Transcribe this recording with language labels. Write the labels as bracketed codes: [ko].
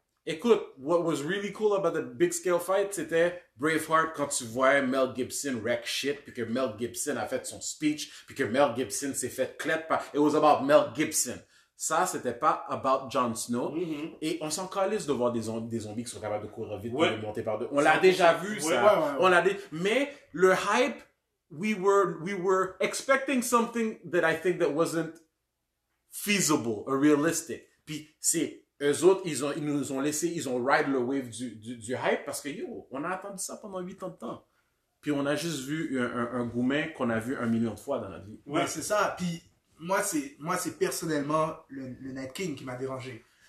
[fr] Écoute, [en] what was really cool about the big scale fight, [fr] c'était Braveheart quand tu vois Mel Gibson [en] wreck shit, [fr] puis que Mel Gibson a fait son speech, puis que Mel Gibson s'est fait clap par. [en] It was about Mel Gibson. [fr] Ça, c'était pas [en] about Jon Snow. Mm-hmm. [fr] Et on s'en calisse de voir des zombies qui sont capables de courir vite, ouais. De monter par deux. On l'a déjà vu, ça. Ouais, ouais, ouais, ouais. On l'a Mais le hype, [en] we were expecting something that I think that wasn't feasible or realistic. [fr] Puis c'est. Eux autres, ils ont ride le wave du hype parce que, yo, on a attendu ça pendant 8 ans de temps. Puis on a juste vu un gourmet qu'on a vu un million de fois dans notre vie. Ouais, c'est ça. Puis moi, c'est personnellement le Night King qui m'a dérangé.